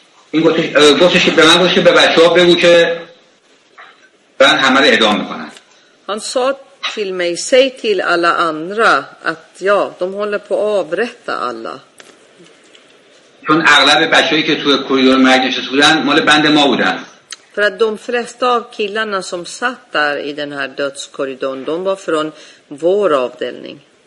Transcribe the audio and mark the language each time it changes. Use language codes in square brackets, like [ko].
[fa] این گفتش به من گفتش به بچه ها بگو که من همه رو اعدام میکنم. [sv] Han sa till mig, säg till alla andra att ja, de håller på att avrätta alla. [fa] چون اغلب بچه هایی که توی کوریدور مرگ نشسته بودن مال بند ما بودن. [sv] För att de flesta av killarna som satt där i den här dödskorridoren, de var från vår avdelning.